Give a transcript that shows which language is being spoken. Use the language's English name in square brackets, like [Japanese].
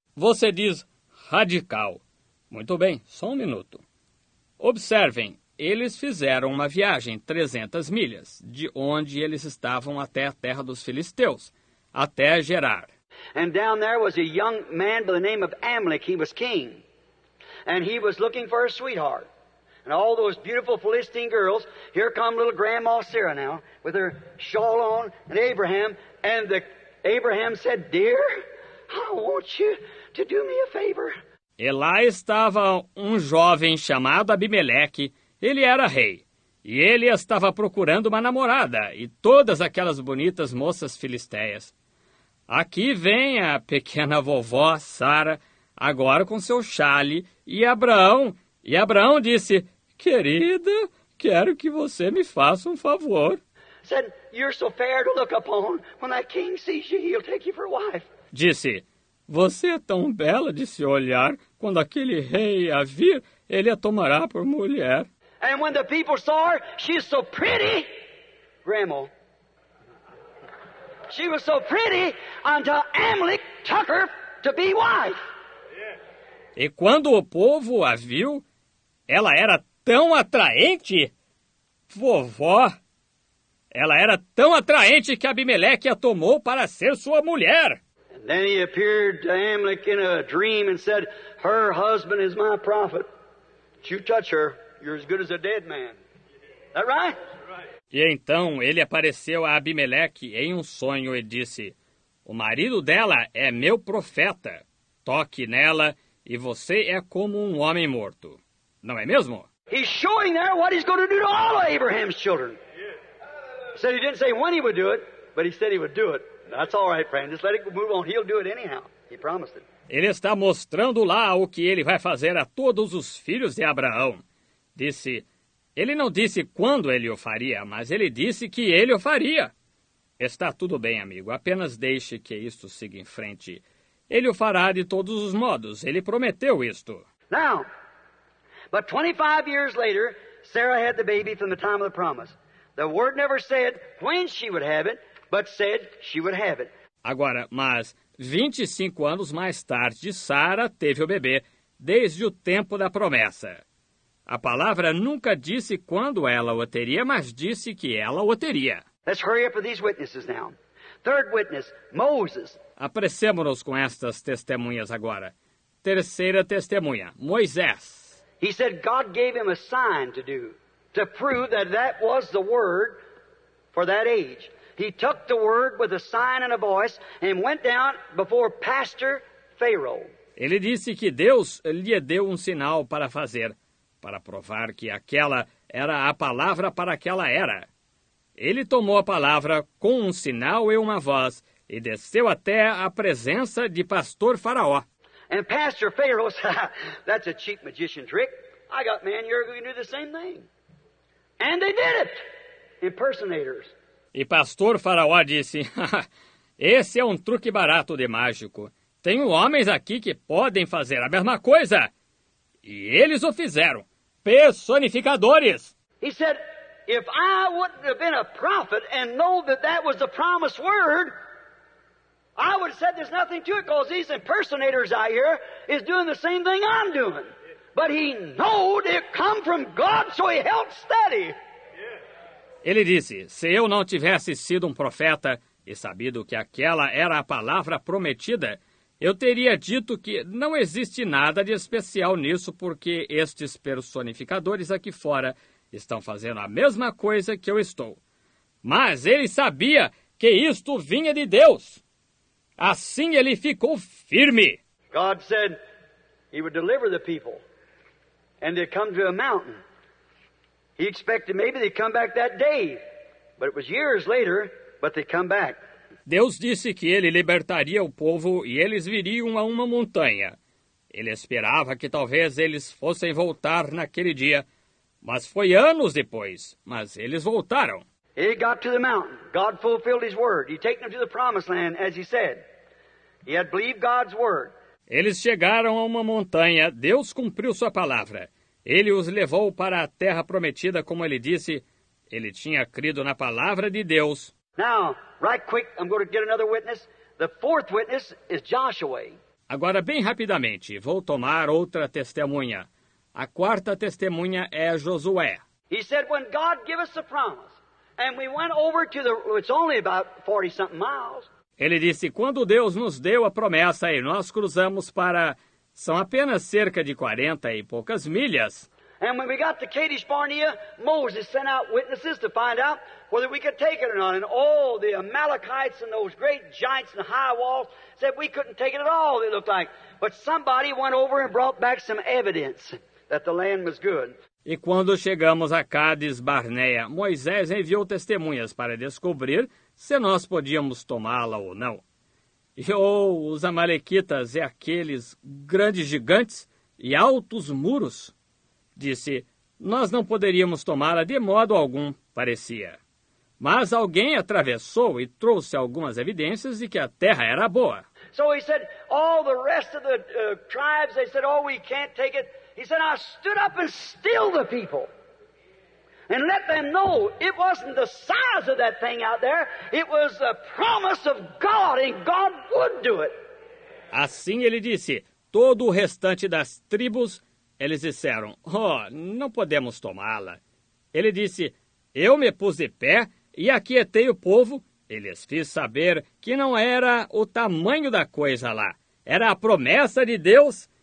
[Portuguese] Você diz radical. Muito bem, só um minuto. Observem, eles fizeram uma viagem 300 milhas, de onde eles estavam até a terra dos filisteus, até Gerar. [English] And down there was a young man by the name of Amalek. He was king. And he was looking for a sweetheart. And all those beautiful Philistine girls, here come little grandma Sarah now, with her shawl on, and Abraham. And the Abraham said, dear, I want you to do me a favor. [Portuguese] E lá estava um jovem chamado Abimeleque. Ele era rei. E ele estava procurando uma namorada e todas aquelas bonitas moças filisteias. Aqui vem a pequena vovó Sara, agora com seu xale, e Abraão. E Abraão disse, querida, quero que você me faça um favor. [English] Said, you're so fair to look upon. When that king sees you, he'll take you for a wife. [Portuguese] Disse, você é tão bela de se olhar, quando aquele rei a vir, ele a tomará por mulher. [English] And when the people saw her, she's so pretty, grandma. She was so pretty until Amalek took her to be wife. [Portuguese] E quando o povo a viu, ela era tão atraente, vovó. Ela era tão atraente que Abimeleque a tomou para ser sua mulher. [English] And then he appeared to Amalek in a dream and said, her husband is my prophet. If you touch her, you're as good as a dead man. Is that right? [Portuguese] E então ele apareceu a Abimeleque em um sonho e disse, o marido dela é meu profeta. Toque nela e você é como um homem morto. Não é mesmo? [English] He's showing there what he's going to do to all of Abraham's children. Yes. Said he didn't say when he would do it, but he said he would do it. That's all right, friend. Just let it move on. He'll do it anyhow. He promised it. [Portuguese] Ele está mostrando lá o que ele vai fazer a todos os filhos de Abraão. Disse, Ele não disse quando ele o faria, mas ele disse que ele o faria. Está tudo bem, amigo. Apenas deixe que isto siga em frente. Ele o fará de todos os modos. Ele prometeu isto. [English] Now, but 25 years later, Sarah had the baby from the time of the promise. The word never said when she would have it, but said she would have it. [Portuguese] Agora, mas 25 anos mais tarde, Sarah teve o bebê desde o tempo da promessa. A palavra nunca disse quando ela o teria, mas disse que ela o teria. [English] Let's hurry up with these witnesses now. Third witness, Moses. [Portuguese] Apressemos-nos com estas testemunhas agora. Terceira testemunha, Moisés. [English] He said God gave him a sign to do, to prove that that was the word for that age. He took the word with a sign and a voice and went down before Pastor Pharaoh. [Portuguese] Ele disse que Deus lhe deu um sinal para fazer, para provar que aquela era a palavra para aquela era. Ele tomou a palavra com um sinal e uma voz e desceu até a presença de Pastor Faraó. [English] And Pastor Pharaoh said, "That's a cheap magician trick. I got men here who can do the same thing." And they did it. Impersonators. [Portuguese] E Pastor Faraó disse, "Esse é um truque barato de mágico. Tenho homens aqui que podem fazer a mesma coisa." E eles o fizeram. Personificadores. [English] He said, "If I wouldn't have been a prophet and know that that was the promised word, I would have said there's nothing to it, because these impersonators I hear is doing the same thing I'm doing." But he knowed it come from God, so he held steady. [Portuguese] Ele disse, se eu não tivesse sido um profeta e sabido que aquela era a palavra prometida, eu teria dito que não existe nada de especial nisso, porque estes personificadores aqui fora estão fazendo a mesma coisa que eu estou. Mas ele sabia que isto vinha de Deus. Assim ele ficou firme. [English] God said he would deliver the people and they'd come to a mountain. He expected maybe they'd come back that day, but it was years later, but they'd come back. [Portuguese] Deus disse que ele libertaria o povo e eles viriam a uma montanha. Ele esperava que talvez eles fossem voltar naquele dia, mas foi anos depois, mas eles voltaram. [English] He got to the mountain. God fulfilled his word. He taken them to the promised land, as he said. He had believed God's word. [Portuguese] Eles chegaram a uma montanha. Deus cumpriu sua palavra. Ele os levou para a terra prometida, como ele disse. Ele tinha crido na palavra de Deus. [English] Now, right quick, I'm going to get another witness. The fourth witness is Joshua. [Portuguese] Agora, bem rapidamente, vou tomar outra testemunha. A quarta testemunha é Josué. [English] He said, when God gave us the promise, and we went over to the, it's only about 40-something miles. [Portuguese] Ele disse, quando Deus nos deu a promessa e nós cruzamos para, são apenas cerca de 40 e poucas milhas. [English] And when we got to Kadesh Barnea, Moses sent out witnesses to find out whether we could take it or not. And all the Amalekites and those great giants and high walls said we couldn't take it at all, it looked like. But somebody went over and brought back some evidence that the land was good. [Portuguese] E quando chegamos a Cádiz Barnea, Moisés enviou testemunhas para descobrir se nós podíamos tomá-la ou não. E os amalequitas e aqueles grandes gigantes e altos muros, disse, nós não poderíamos tomá-la de modo algum, parecia. Mas alguém atravessou e trouxe algumas evidências de que a terra era boa. [English] So he said, all the rest of the tribes, they said, oh, we can't take it. He said, I stood up and stilled the people and let them know it wasn't the size of that thing out there, it was the promise of God, and God would do it. [Portuguese] Assim ele disse, todo o restante das tribos, eles disseram, oh, não podemos tomá-la. Ele disse, eu me pus de pé e aquietei o povo, e lhes fiz saber que não era o tamanho da coisa lá, era a promessa de Deus.